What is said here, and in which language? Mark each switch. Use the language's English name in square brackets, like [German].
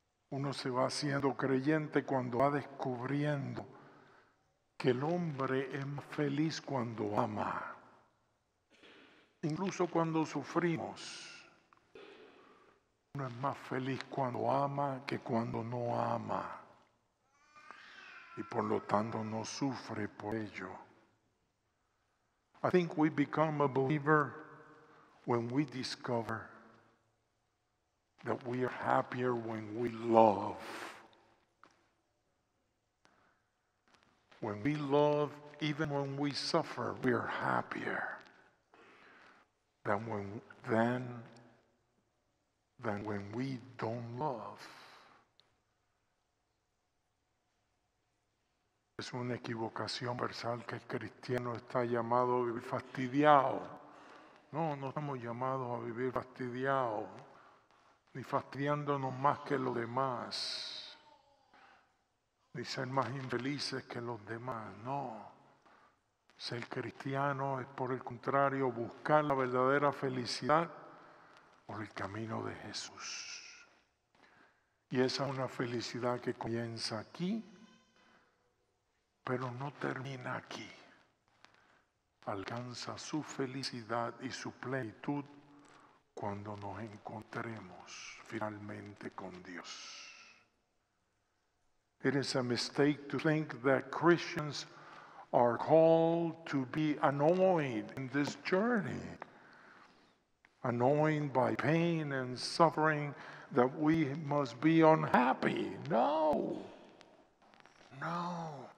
[Spanish] Uno se va haciendo creyente cuando va descubriendo que el hombre es feliz cuando ama. Incluso cuando sufrimos, uno es más feliz cuando ama que cuando no ama. Y por lo tanto no sufre por ello. [English] I think we become a believer when we discover that we are happier when we love. When we love, even when we suffer, we are happier than when we don't love. [Spanish] Es una equivocación universal que el cristiano está llamado a vivir fastidiado. No, no estamos llamados a vivir fastidiado, ni fastidiándonos más que los demás, ni ser más infelices que los demás, no. Ser cristiano es, por el contrario, buscar la verdadera felicidad por el camino de Jesús. Y esa es una felicidad que comienza aquí, pero no termina aquí. Alcanza su felicidad y su plenitud cuando nos encontremos finalmente con Dios. [English] It is a mistake to think that Christians are called to be annoyed in this journey, annoyed by pain and suffering, that we must be unhappy. No. No.